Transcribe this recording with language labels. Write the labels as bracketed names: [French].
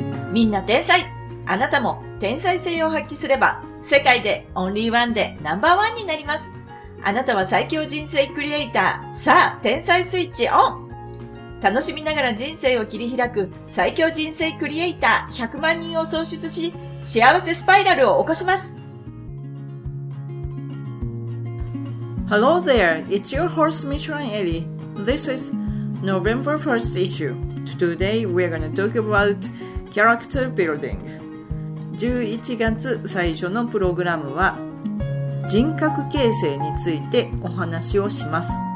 [Japanese] みんな天才、あなたも天才性を発揮すれば世界でオンリーワンでナンバーワンになります。あなたは最強人生クリエイター。さあ天才スイッチオン。楽しみながら人生を切り開く最強人生クリエイター100万人を創出し、幸せスパイラルを起こします。 [English] Hello there, it's your host Michelin Ellie. This is November 1st issue. Today we're gonna talk about character building. [Japanese] 11月最初のプログラムは人格形成についてお話をします。